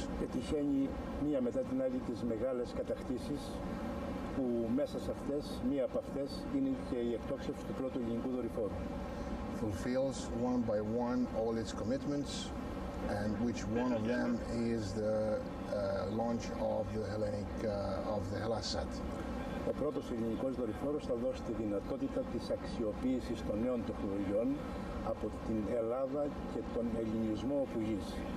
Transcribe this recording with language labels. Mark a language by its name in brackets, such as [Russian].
[Greek] Πετυχαίνει μία μετά την άλλη τις μεγάλες κατακτήσεις που μέσα σε αυτές, μία από αυτές, είναι και η εκτόξευση του πρώτου ελληνικού δορυφόρου. [English] Fulfills one by one all its commitments, and which one of them is the launch of the Hellenic, of the Hellasat. [Greek] Ο πρώτος ελληνικός δορυφόρος θα δώσει τη δυνατότητα της αξιοποίησης των νέων τεχνολογιών από την Ελλάδα και τον ελληνισμό που γίνει.